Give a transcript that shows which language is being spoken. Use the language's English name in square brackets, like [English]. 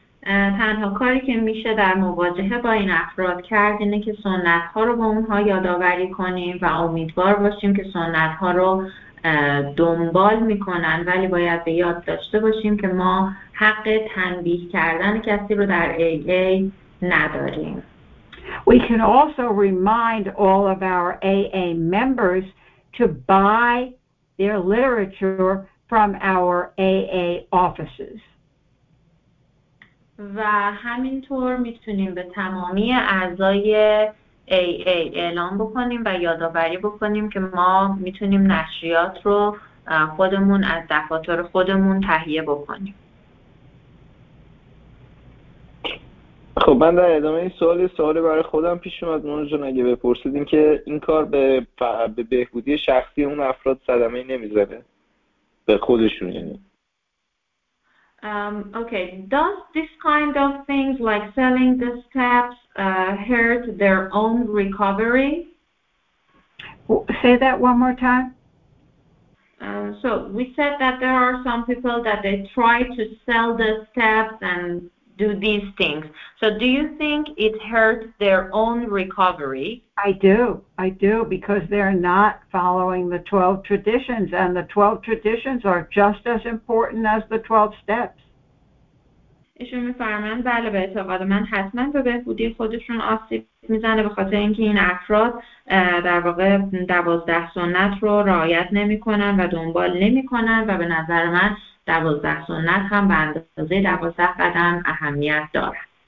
[Persian] تنها کاری که میشه در مواجهه با این افراد کرد اینه که سنت ها رو به اونها یادآوری کنیم و امیدوار باشیم که سنت ها رو دنبال میکنن، ولی باید به یاد داشته باشیم که ما حق تنبیه کردن کسی رو در AA نداریم. [English] We can also remind all of our AA members to buy their literature from our AA offices. [Persian] و همینطور میتونیم به تمامی اعضای AA اعلام بکنیم و یادآوری بکنیم که ما میتونیم نشریات رو خودمون از دفاتر خودمون تهیه بکنیم. خب من در ادامه این سوال سوالی برای خودم پیش اومد نون جون، اگه بپرسید این که این کار به بهبودی شخصی اون افراد صدمه نمیزنه، به خودشون یعنی. [English] Okay, does this kind of things like selling the steps hurt their own recovery? Say that one more time. So we said that there are some people that they try to sell the steps and do these things. So do you think it hurts their own recovery? I do, because they're not following the 12 traditions, and the 12 traditions are just as important as the 12 steps. [Persian] ایشون میفرمایند بله، به اعتقاد من حتما به بهبودی خودشون آسیب میزنه به خاطر اینکه این افراد در واقع 12 سنت رو رعایت نمی کنن و دنبال نمی کنن، و به نظر من 12 سنت هم به اندازه 12 قدم اهمیت دارن.